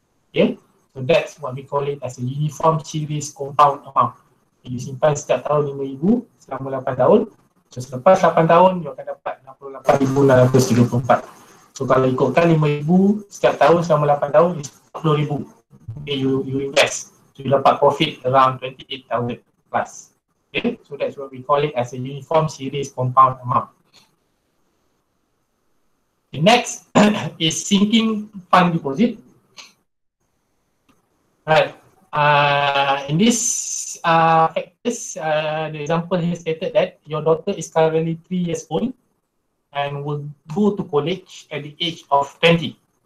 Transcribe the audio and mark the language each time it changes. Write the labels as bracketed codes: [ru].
[en] Okay, so that's what we call it as a uniform series compound amount. [ms] You simpan setiap tahun 5,000 selama 8 tahun. So selepas 8 tahun, you akan dapat 68,934. So kalau ikutkan 5,000 setiap tahun selama 8 tahun, is 40,000. [en] Okay, you invest, so you dapat profit around 28,000 plus. Okay, so that's what we call it as a uniform series compound amount. The next is sinking fund deposit. Right, in this factors, the example here stated that your daughter is currently 3 years old and will go to college at the age of 20.